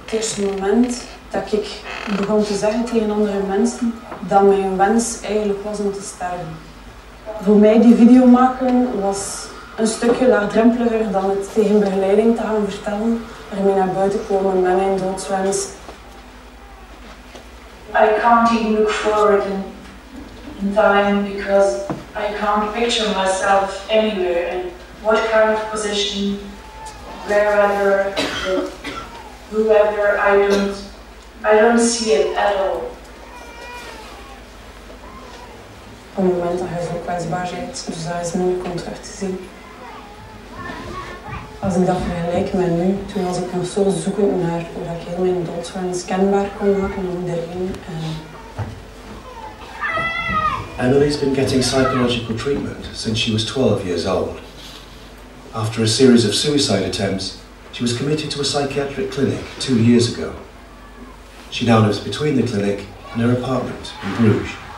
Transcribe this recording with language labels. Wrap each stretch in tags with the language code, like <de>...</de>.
<nl>Het eerste moment dat ik begon te zeggen tegen andere mensen dat mijn wens eigenlijk was om te sterven. Voor mij die video maken was een stukje laagdrempeliger dan het tegen begeleiding te gaan vertellen, ermee naar buiten komen met mijn doodswens.</nl> <en>I can't even look forward in time because I can't picture myself anywhere in what kind of position, wherever, whoever. I don't see it at all.</en> <nl>Op het moment dat je zo kwetsbaar bent, dus dat is moeilijk om terug te zien. Als ik dat vergelijk met nu, toen was ik nog zo zoekend naar hoe ik heel mijn doodswens kenbaar kon maken aan iedereen.</nl> <en>Emily's been getting psychological treatment since she was 12 years old. After a series of suicide attempts, she was committed to a psychiatric clinic 2 years ago. She now lives between the clinic and her apartment in Bruges.</en>